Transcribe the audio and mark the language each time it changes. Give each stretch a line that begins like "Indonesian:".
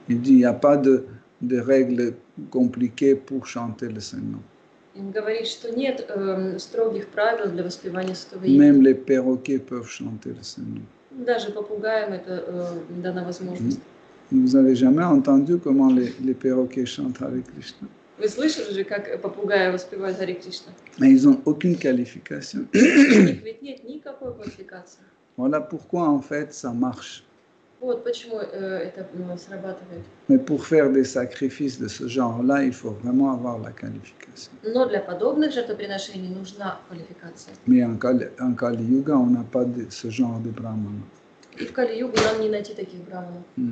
French: Il dit, il n'y a pas de règles compliquées pour chanter le Saint-Nom.
Russian: Il говорит, что нет строгих правил для воспевания святого имени.
French: Même les perroquets peuvent chanter le Saint-Nom.
Russian: Даже попугаям это дана возможность.
French: Vous avez jamais entendu comment les perroquets chantent Hare Krishna?
Russian: Вы слышали же, как попугаи воспевают Hare Krishna?
French: Mais ils n'ont aucune qualification.
Russian: Ведь нет никакой квалификации.
French: Voilà pourquoi en fait ça marche.
Russian: Вот почему это срабатывает.
French: Mais pour faire des sacrifices de ce genre-là, il faut vraiment avoir la qualification.
Russian: Но для подобных жертвоприношений нужна квалификация.
French: Mais en Kali-Yuga, on n'a pas ce genre de brahmana.
Russian: И в Кали-Югу нам не найти таких брахманов.